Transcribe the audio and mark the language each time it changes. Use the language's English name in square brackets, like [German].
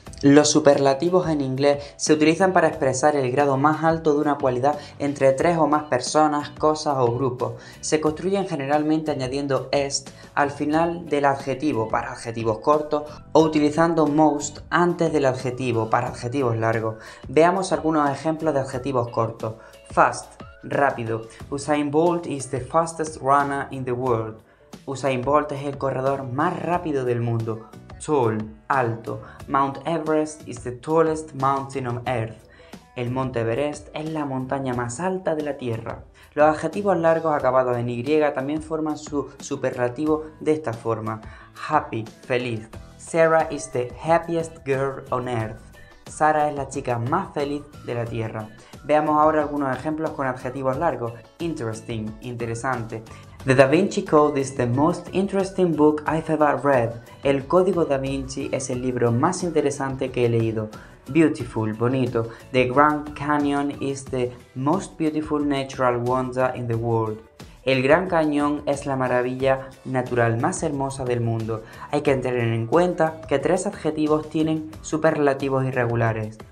[Spanish] Los superlativos en inglés se utilizan para expresar el grado más alto de una cualidad entre tres o más personas, cosas o grupos. Se construyen generalmente añadiendo est al final del adjetivo para adjetivos cortos o utilizando most antes del adjetivo para adjetivos largos. Veamos algunos ejemplos de adjetivos cortos. [English] Fast, rápido. Usain Bolt is the fastest runner in the world. [Spanish] Usain Bolt es el corredor más rápido del mundo. [English] Tall, alto. Mount Everest is the tallest mountain on earth. [Spanish] El monte Everest es la montaña más alta de la Tierra. Los adjetivos largos acabados en Y también forman su superlativo de esta forma. [English] Happy, feliz. Sarah is the happiest girl on earth. [Spanish] Sara es la chica más feliz de la Tierra. Veamos ahora algunos ejemplos con adjetivos largos. [English] Interesting, interesante. The Da Vinci Code is the most interesting book I've ever read. [Spanish] El Código Da Vinci es el libro más interesante que he leído. [English] Beautiful, bonito. The Grand Canyon is the most beautiful natural wonder in the world. [Spanish] El Gran Cañón es la maravilla natural más hermosa del mundo. Hay que tener en cuenta que tres adjetivos tienen superlativos irregulares.